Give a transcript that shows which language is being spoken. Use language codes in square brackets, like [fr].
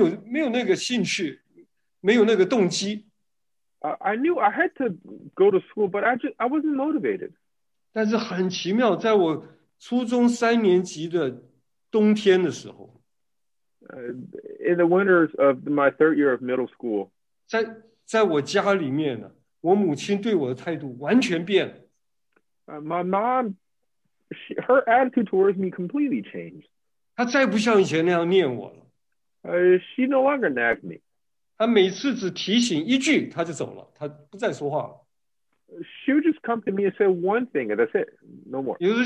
[zh] 我知道我必须读书，但是我就是没有那个兴趣，没有那个动机。 [en] I knew I had to go to school, but I wasn't motivated. [zh] 但是很奇妙，在我初中三年级的冬天的时候， [en] In the winters of my third year of middle school, [zh] 在我家里面呢，我母亲对我的态度完全变了。 [en] My mom, her attitude towards me completely changed. [zh] 她再不像以前那样念我了。 [en] She no longer nagged me. [zh] 她每次只提醒一句，她就走了，她不再说话了。 [en] She would just come to me and say one thing, and that's it, no more.